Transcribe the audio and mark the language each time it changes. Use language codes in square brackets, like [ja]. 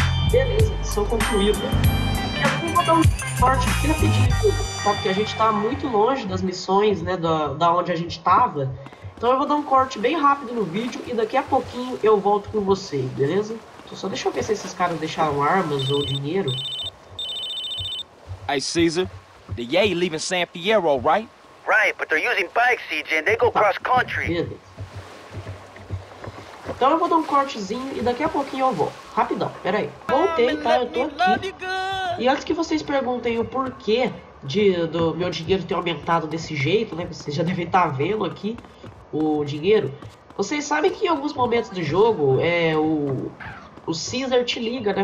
[pt] Beleza, missão concluída. E eu vou botar um forte aqui rapidinho, tá? Porque a gente tá muito longe das missões, né? Da onde a gente tava. Então eu vou dar um corte bem rápido no vídeo e daqui a pouquinho eu volto com você, beleza? Então só deixa eu ver se esses caras deixaram armas ou dinheiro. [en] Hey, Caesar, the Yay leaving San Fierro, right? Right, but they're using bikes, CJ, and they go cross country. [pt] Então eu vou dar um cortezinho e daqui a pouquinho eu vou. Rapidão, pera aí. Voltei, tá? Eu tô aqui. E antes que vocês perguntem o porquê do meu dinheiro ter aumentado desse jeito, né? Vocês já devem estar vendo aqui o dinheiro. Vocês sabem que em alguns momentos do jogo, o Caesar te liga, né?